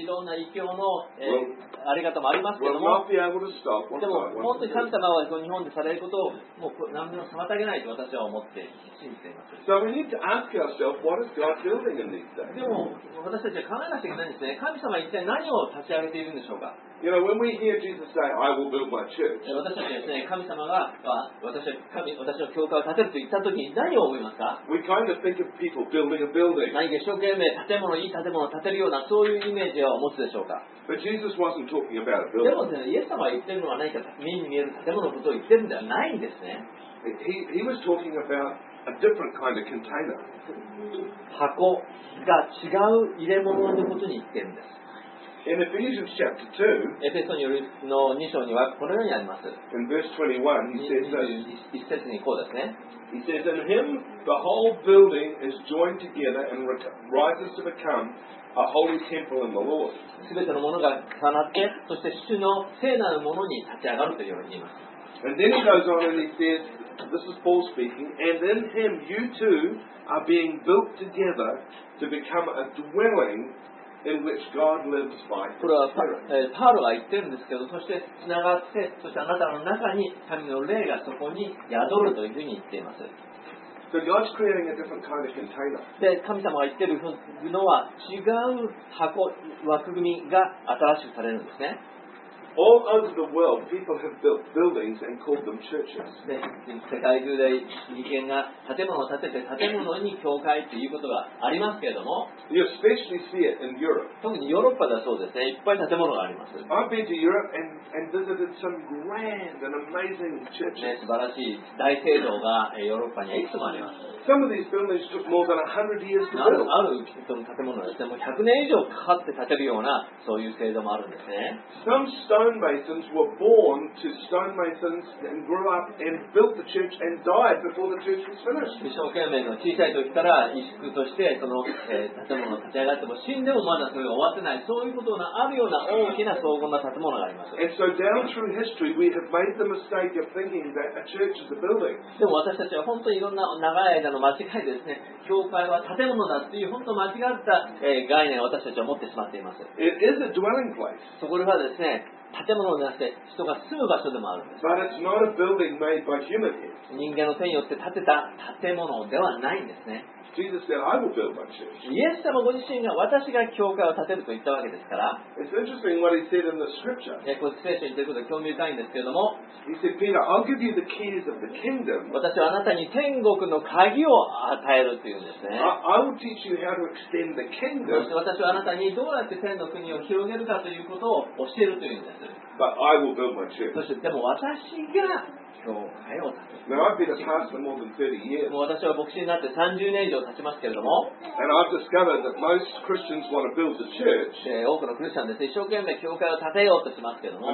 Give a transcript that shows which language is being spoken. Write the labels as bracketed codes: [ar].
[ja] いろんな異教の、あり方もありますけれども [en] will not be able to stop [ja] でも本当に神様は日本でされることをもう何でも妨げないと私は思って信じています。 [en] So、 [ja] でも私たちは考えなきゃいけないんですね。神様は一体何を立ち上げているんでしょうか。 [en] You know, when we hear Jesus say, "I will build my church," [ja] 私たちはですね、神様が私の教会を建てると言ったときに何を思いますか。 [en] We kind of think of people building a building. [ja] 何か一生懸命建物いい建物を建てるようなそういうイメージを持つでしょうか。 [en] But Jesus wasn't talking about a building. [ja] でもですね、イエス様は言っているのは何か目に見える建物のことを言っているんではないんですね。 [en] He was talking aboutA different kind of container. [ja] 箱が違う入れ物のことに言ってるんです。 [en] In Ephesians chapter 2, [ja] エフェソの2章にはこのようにあります。 [en] In verse 21, he says, [ja] 一節にこうですね。 [en] He says, In him the whole building is joined together and rises to become a holy temple in the Lord. [ja] 全てのものが重なって、そして主の聖なるものに立ち上がるというように言います。 [en] And then he goes on and he says,This is Paul speaking, and in him you two are being built together to become a dwelling in which God lives by his Spirit. [ja] これはパールが言ってるんですけど、そしてつながって、そしてあなたの中に神の霊がそこに宿るというふうに言っています。 [en] So God's creating a different kind of container. [ja] で、神様が言ってるのは違う箱、枠組みが新しくされるんですね。 [en] All over the world, people have built buildings and called them churches. [ja] 世界中で人間が建物を建てて建物に教会ということがありますけれども、 [en] You especially see it in Europe. [ja] 特にヨーロッパだそうですね。いっぱい建物があります。 [en] I've been to Europe and visited some grand and amazing churches. [ja] 素晴らしい大聖堂がヨーロッパにはいくつもあります。 [en] Some of these buildings took more than 100 years to build. [ja] ある建物ですね。もう100年以上かかって建てるようなそういう聖堂もあるんですね。 [en] Stonemasons were born to stonemasons and grew up and built the church and died before the church was finished. [ja] 一生懸命の小さい時から石工としてその建物を立ち上がっても死んでもまだそれが終わってないそういうことがあるような大きな荘厳な建物があります。 [en] And so down through history, we have made the mistake of thinking that a church is a building. [ja] でも私たちは本当にいろんな長い間の間違いですね。教会は建物だという本当に間違った概念を私たちは持ってしまっています。 [en] It is a dwelling place. [ja] そこではですね。建物ではなくて人が住む場所でもあるんです。 [en] But it's not a building made by human hands. [ja] 人間の手によって建てた建物ではないんですね。 [en] Jesus said, I will build my church. [ja] イエス様ご自身が私が教会を建てると言ったわけですから。 [en] It's interesting what he said in the scripture. [ja] これ聖書に言っていることが興味深いんですけれども。 [en] He said, Peter, I'll give you the keys of the kingdom. [ja] 私はあなたに天国の鍵を与えるというんですね。 [en] I will teach you how to extend the kingdom. [ja] 私はあなたにどうやって天の国を広げるかということを教えるというんです。 [en] But I will build my church. [ja] そしてでも私が [en] Now I've been a pastor more than 30 years. [ja] もう私は牧師になって30年以上経ちますけれども。 [en] And I've discovered that most Christians want to build a church. [ja] 多くのクリスチャンです。一生懸命教会を建てようとしますけれども。